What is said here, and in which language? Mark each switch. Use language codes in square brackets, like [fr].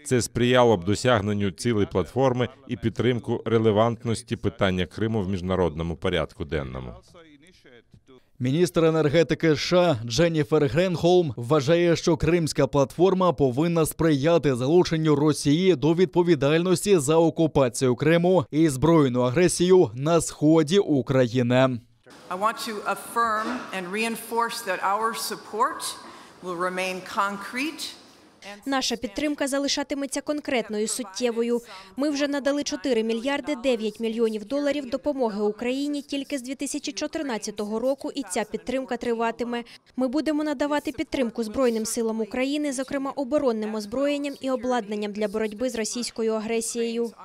[uk] Це сприяло б досягненню цілей платформи і підтримку релевантності питання Криму в міжнародному порядку денному. Міністр енергетики США Дженніфер Гренхолм вважає, що Кримська платформа повинна сприяти залученню Росії до відповідальності за окупацію Криму і збройну агресію на сході України. [en] I want to affirm and reinforce that our support will remain concrete. [uk] Наша підтримка залишатиметься конкретною, суттєвою. Ми вже надали 4 мільярди 9 мільйонів доларів допомоги Україні тільки з 2014 року, і ця підтримка триватиме. Ми будемо надавати підтримку Збройним силам України, зокрема оборонним озброєнням і обладнанням для боротьби з російською агресією.